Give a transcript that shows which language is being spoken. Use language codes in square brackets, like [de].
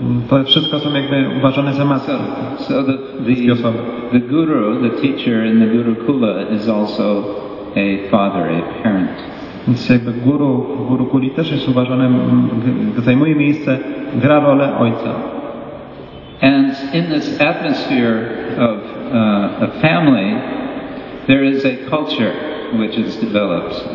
[pl] To wszystko są jakby uważane za matki. [en] So the guru, the teacher in the Gurukula is also a father, a parent. [pl] Więc jakby guru w Gurukuli też jest uważany, zajmuje miejsce, gra rolę ojca. [en] And in this atmosphere of a family, there is a culture which is developed.